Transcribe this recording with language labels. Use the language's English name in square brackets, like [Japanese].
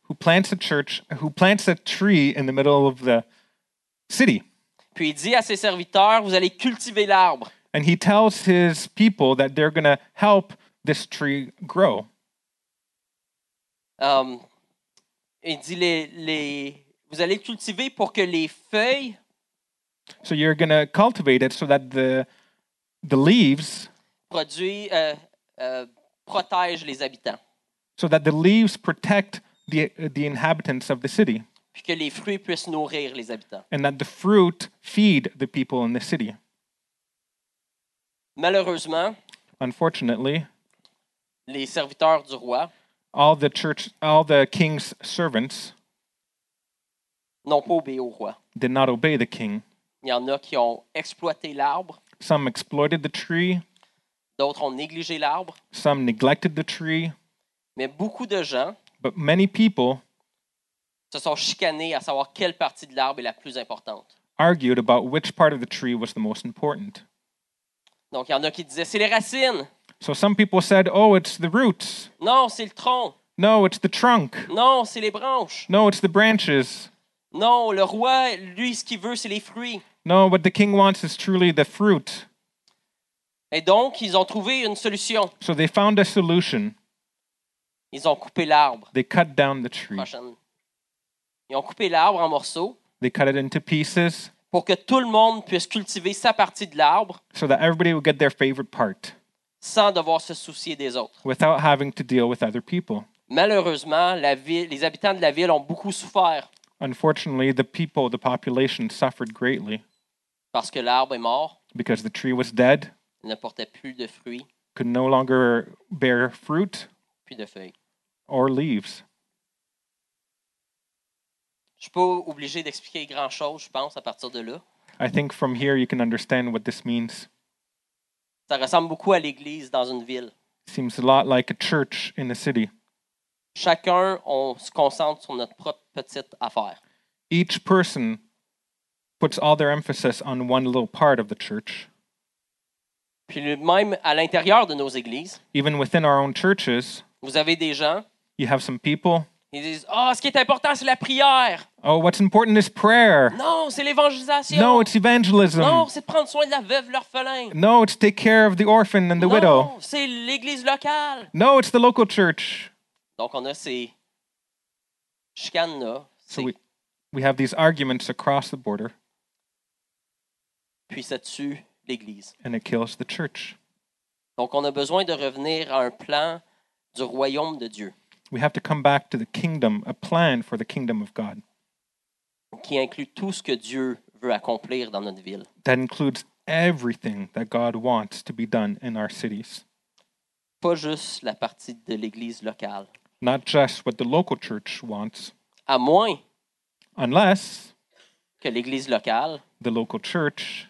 [English] Who plants a church, who plants a tree in the middle of the city. [French] Puis il dit à ses serviteurs, vous allez cultiver l'arbre. [English] And he tells his people that they're going to help this tree grow. [French] Il dit vous allez cultiver pour que les feuilles. [English] So you're going to cultivate it so that the leaves [French] protège les habitants. [English] So that the leaves protect the inhabitants of the city. [French] Puis que les fruits puissent nourrir les habitants. [English] And that the fruit feed the people in the city. [French] Malheureusement, [English] unfortunately, [French] les serviteurs du roi, [English] all the king's servants, [French] n'ont pas obéi au roi. [English] Did not obey the king. [French] Il y en a qui ont exploité l'arbre. [English] Some exploited the tree. [French] D'autres ont négligé l'arbre. [English] Some neglected the tree. [French] Mais beaucoup de gens, [English] but many people, [French] se sont chicanés à savoir quelle partie de l'arbre est la plus importante. [English] Argued about which part of the tree was the most important. [French] Donc, il y en a qui disaient, c'est les racines. [English] So some people said, oh, it's the roots. [French] Non, c'est le tronc. [English] No, it's the trunk. [French] Non, c'est les branches. [English] No, it's the branches. [French] Non, le roi, lui, ce qu'il veut, c'est les fruits. [English] No, what the king wants is truly the fruit. [French] Et donc, ils ont trouvé une solution. [English] So they found a solution. [French] Ils ont coupé l'arbre. [English] They cut down the tree. [French] Ils ont coupé l'arbre en morceaux. [English] They cut it into pieces. [French] Pour que tout le monde puisse cultiver sa partie de l'arbre. [English] So that everybody would get their favorite part. [French] Sans devoir se soucier des autres. [English] Without having to deal with other people. [French] Malheureusement, les habitants de la ville ont beaucoup souffert. [English] Unfortunately, the people, the population suffered greatly. [French] Parce que l'arbre est mort. [English] Because the tree was dead. [French] Il ne portait plus de fruits. [English] Could no longer bear fruit. [French] Puis de feuilles. [English] Or leaves. [French] Je ne suis pas obligé d'expliquer grand-chose, je pense, à partir de là. [English] I think from here you can understand what this means. [French] Ça ressemble beaucoup à l'église dans une ville. [English] Seems a lot like a church in a city. [French] Chacun, on se concentre sur notre propre petite affaire. [English] Each person puts all their emphasis on one little part of the church. [French] Puis même à l'intérieur de nos églises, [English] even within our own churches, [French] vous avez des gens, [English] you have some people. [French] Ils disent, oh, ce qui est important, c'est la prière. [English] Oh, what's important is prayer. [French] Non, c'est l'évangélisation. [English] No, it's evangelism. [French] Non, c'est prendre soin de la veuve, l'orphelin. [English] No, it's take care of the orphan and the [French] non, [English] widow. [French] Non, c'est l'église locale. [English] No, it's the local church. [French] Donc on a ces chicanes-là. [English] So we have these arguments across the border. [French] Puis ça tue l'église. [English] And it kills the church. [French] Donc on a besoin de revenir à un plan du royaume de Dieu. [English] We have to come back to the kingdom, a plan for the kingdom of God. [French] Qui inclut tout ce que Dieu veut accomplir dans notre ville. [English] That includes everything that God wants to be done in our cities. [French] Pas juste la partie de l'église locale. [English] Not just what the local church wants. [French] À moins [English] unless [French] que l'église locale [English] the local church